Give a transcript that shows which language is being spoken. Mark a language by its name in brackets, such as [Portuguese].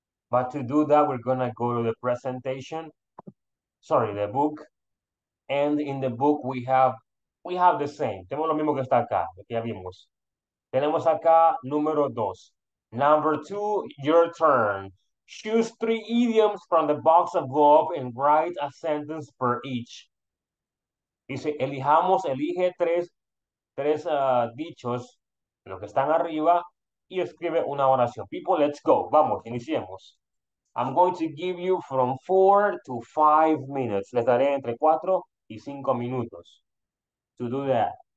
[English] But to do that, we're going to go to the presentation. Sorry, the book. And in the book, we have the same. [Spanish] Tenemos lo mismo que está acá, que ya vimos. Tenemos acá número dos. [English] Number two, your turn. Choose three idioms from the box above and write a sentence per each. [Spanish] Dice, elige tres dichos, lo que están arriba, y escribe una oración. [English] People, let's go. [Spanish] Vamos, iniciemos. [English] I'm going to give you from 4 to 5 minutes. [Spanish] Les daré entre 4 y 5 minutos [English] to do that.